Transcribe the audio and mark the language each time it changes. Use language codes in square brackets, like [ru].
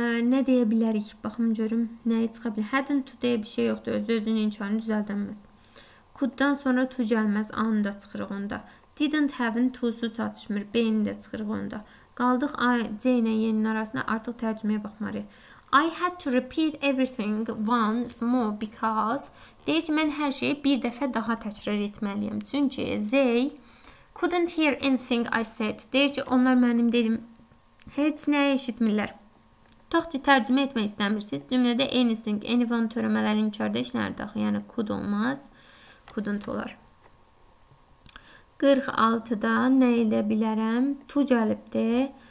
[az] Nə deyə bilərik? Baxım görüm, nəyi çıxa bilir? Hadn't to deyə bir şey yoxdur. Özü-özünün inkarını düzəldənməz. Could-dan sonra to gəlməz. A-nı da çıxırıq onda. Didn't have-in to-su çatışmır. B-ni də çıxırıq onda. Qaldıq C ilə Y-nin arasında. Artıq tərcüməyə baxmalıyıq. [en] I had to repeat everything once more because. [az] Deyir ki, mən hər şeyi bir dəfə daha təkrar etməliyim. Çünki [en] Z couldn't hear anything I said. [az] Deyir ki, onlar mənim dedim. Heç nə eşitmirlər. Tox ki, tərcümə etmək istəmirsiniz. Cümlədə anything, anyone törəmələr inkarda işlərdə axı. Yəni, could olmaz. Couldn't olar. 46-da nə edə bilərəm? To gəlibdir.